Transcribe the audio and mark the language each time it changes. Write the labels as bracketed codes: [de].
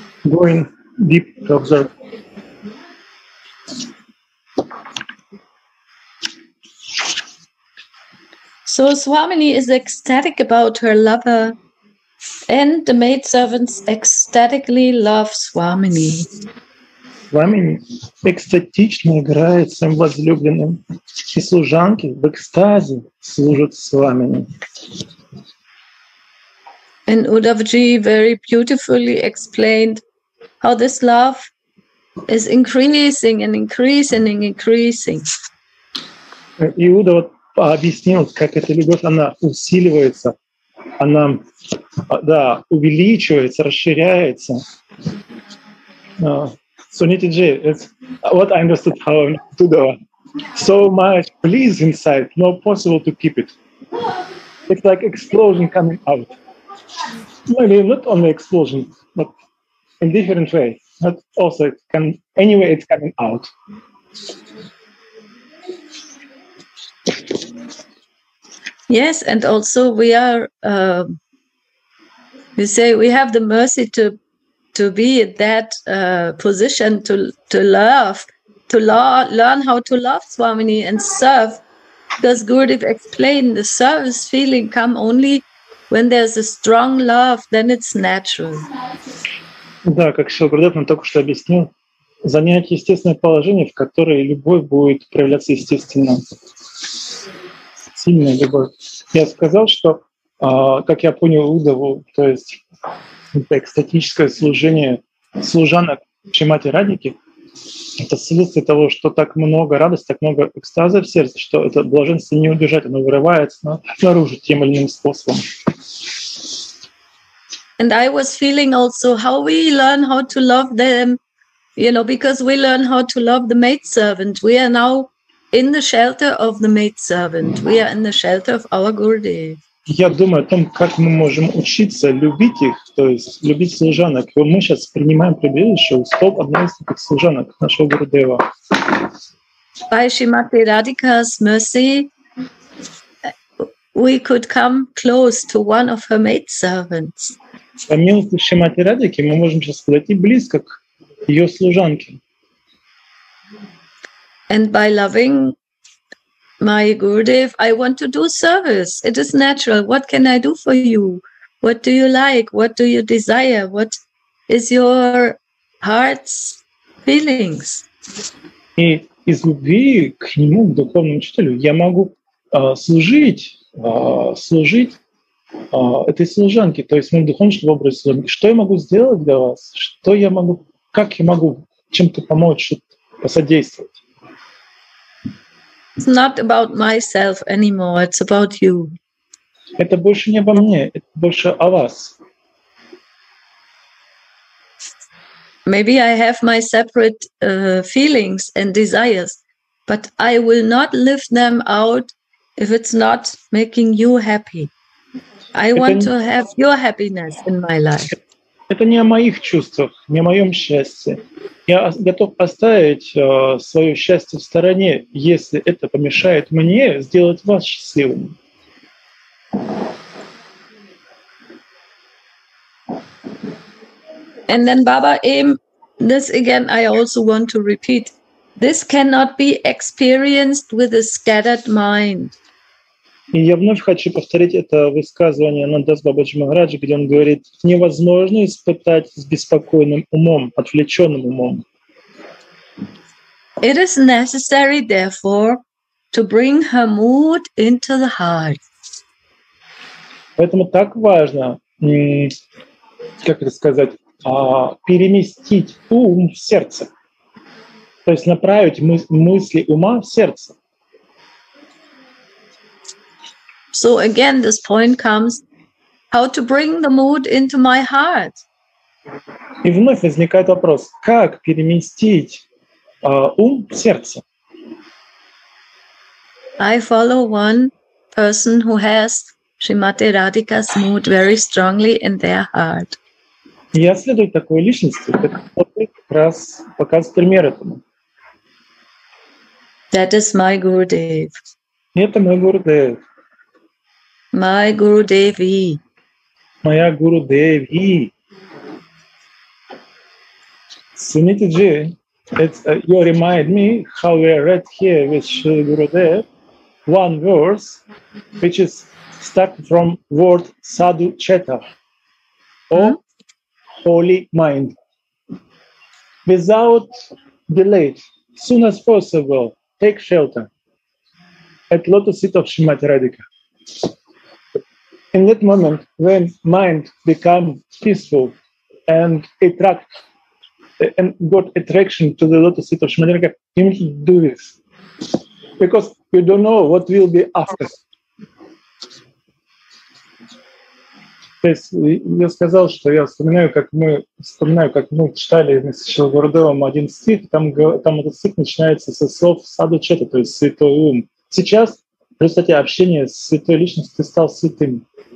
[en] Going deep to observe. So Swamini is ecstatic about her lover, and the maidservants ecstatically love Swamini. [ru] Swamini экстатично играет своим возлюбленным, и служанки в экстазе служат Swamini. [en] And Uddhavji very beautifully explained how this love is increasing and increasing and increasing. [ru] И Удава объяснил, как эта любовь, она усиливается, она, да, увеличивается, расширяется. [en] Sunitiji, it's what I understood how Udhava. So much bliss inside, not possible to keep it. It's like explosion coming out. Maybe not only explosion, but in different way. But also, it can anyway, it's coming out. Yes, and also we are. You say we have the mercy to be in that position to learn how to love Swamini and serve, because Gurudev explained the service feeling come only. When there's a strong love, then it's natural. [ru] Да, как Шрила Прабхупада только что объяснил, занять естественное положение, в которое любовь будет проявляться естественно. Сильная любовь. Я сказал, что, как я понял Удаву, то есть это экстатическое служение служанок Шримати Радики, это следствие того, что так много радости, так много экстаза в сердце, что это блаженство не удержать, оно вырывается наружу тем или иным способом. [en] And I was feeling also how we learn how to love them, you know, because we learn how to love the maidservant. We are now in the shelter of the maidservant. We are in the shelter of our Gurudev. [ru] Я думаю о том, как мы можем учиться любить их, то есть любить служанок. И мы сейчас принимаем прибежище у стоп одной из таких служанок нашего Гурудева. [en] By Shrimati Radhika's mercy, we could come close to one of her maidservants. [ru] По милости Шримати Радики мы можем сейчас подойти близко к ее служанке. [en] And by loving my Gurudev, I want to do service. It is natural. What can I do for you? What do you like? What do you desire? What is your heart's feelings? [ru] И из любви к нему, к духовному учителю, я могу служить этой служанке, то есть моему духовному образу служанки. Что я могу сделать для вас? Что я могу, как я могу чем-то помочь, посодействовать? [en] It's not about myself anymore, it's about you. [ru] Это больше не обо мне, это больше о вас. [en] Maybe I have my separate feelings and desires, but I will not live them out if it's not making you happy. I want to have your happiness in my life. [ru] Это не о моих чувствах, не о моем счастье. Я готов оставить свое счастье в стороне, если это помешает мне сделать вас счастливым. [en] And then Baba Im, this again I also want to repeat. This cannot be experienced with a scattered mind. [ru] И я вновь хочу повторить это высказывание Нандас Бабаджи Махараджи, где он говорит, невозможно испытать с беспокойным умом, отвлеченным умом. [en] It is necessary, therefore, to bring her mood into the heart. [ru] Поэтому так важно, как это сказать, переместить ум в сердце. То есть направить мысли ума в сердце. [en] So again, this point comes, how to bring the mood into my heart. [ru] И вновь возникает вопрос, как переместить ум в сердце? [en] I follow one person who has Shrimati Radhika's mood very strongly in their heart. [ru] Я следую такой личности, который как раз показывает пример этому. [en] That is my Gurudev. [ru] Это мой Гурудев. [en] My Gurudevi. [ru] Моя Гурудеви. [en] Sunita ji, you remind me how we read here with Shri Gurudev one verse, which is stuck from word sadhu chetta. Holy mind, without delay, soon as possible, take shelter at lotus feet of Shrimati Radhika. In that moment, when mind becomes peaceful and attract and got attraction to the lotus feet of Shrimati Radhika, you need to do this because you don't know what will be after. [ru] То есть я сказал, что я вспоминаю, как мы читали с Шрила Гурудевом один стих, там этот стих начинается со слов саду чета, то есть святой ум. Сейчас, в результате общения с святой личностью, ты стал святым.